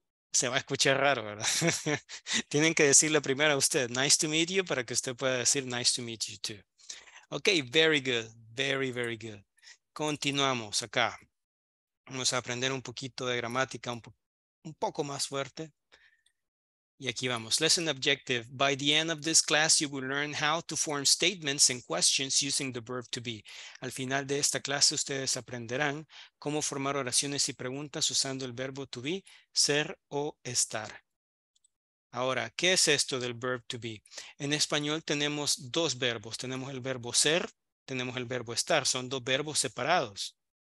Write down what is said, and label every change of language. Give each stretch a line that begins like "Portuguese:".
Spanish: Se va a escuchar raro, ¿verdad? Tienen que decirle primero a usted,
English: nice to meet you,
Spanish: para que usted pueda decir
English: nice to meet you too. Ok, very good. Very, very good.
Spanish: Continuamos acá. Vamos a aprender un poquito de gramática, un poco más fuerte. Y aquí vamos.
English: Lesson objective. By the end of this class, you will learn how to form statements and questions using the verb to be.
Spanish: Al final de esta clase, ustedes aprenderán cómo formar oraciones y preguntas usando el verbo to be, ser o estar. Ahora, ¿qué es esto del verb to be? En español tenemos dos verbos. Tenemos el verbo ser. Tenemos el verbo estar, son dos verbos separados.